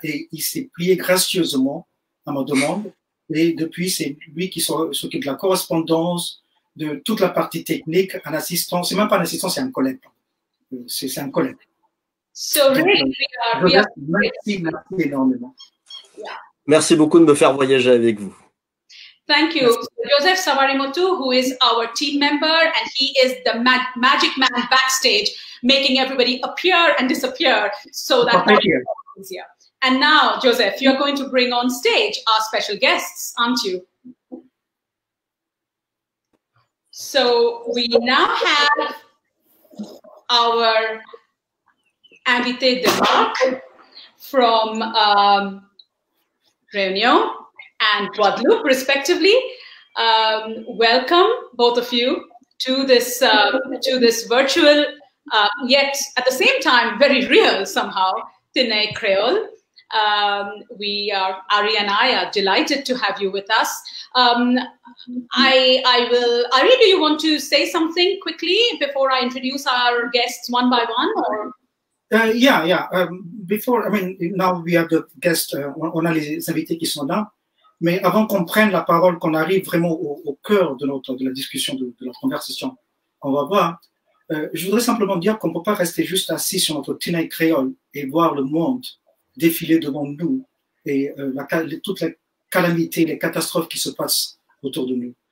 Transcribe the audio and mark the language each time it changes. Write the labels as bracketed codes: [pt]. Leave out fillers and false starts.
[fr] Et il s'est plié gracieusement à ma demande. Et depuis, c'est lui qui s'occupe de la correspondance, de toute la partie technique, un assistant. C'est même pas un assistant, c'est un collègue. C'est un collègue. [en] So [fr] merci énormément. Merci beaucoup de me faire voyager avec vous. [en] Thank you. [fr] Merci. [en] Joseph Savarimotu, who is our team member, and he is the magic man backstage, making everybody appear and disappear. So that thank you. And now, Joseph, you're going to bring on stage our special guests, aren't you? So we now have our [fr] invité de marque [en] from Réunion and Guadeloupe, respectively. Welcome, both of you, to this virtual, yet at the same time, very real somehow, Tinay Creole. Ari and I are delighted to have you with us. Ari, do you want to say something quickly before I introduce our guests one by one? Now we have the guests, [fr] on a les invités qui sont là, mais avant qu'on prenne la parole, qu'on arrive vraiment au cœur de la discussion, de la conversation qu'on va voir, je voudrais simplement dire qu'on ne peut pas rester juste assis sur notre Tinay Creole et voir le monde défiler devant nous et toutes les calamités, les catastrophes qui se passent autour de nous.